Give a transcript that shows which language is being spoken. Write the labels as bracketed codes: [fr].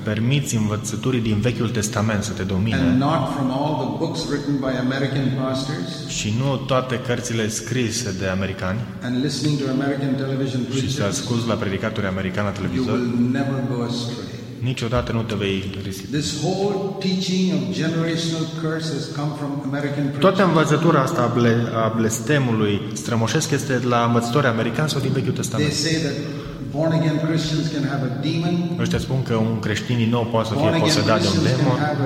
[ro] permiți învățăturii din Vechiul Testament să te domine, [en] and not from all the books written by American pastors, [ro] și nu toate cărțile scrise de americani, [en] and listening to American television preachers, [ro] și să asculți la predicatori americani la televizor, [en] you will never go astray. [ro] Niciodată nu te vei risi. [en] This whole teaching of generational curse has come from American preachers. [ro] Toată învățătura asta a blestemului strămoșesc este de la învățători americani sau din Vechiul Testament. [en] They say that born again Christians can have a demon. [ro] Ăștia spun că un creștin din nou poate să fie posedat de un demon.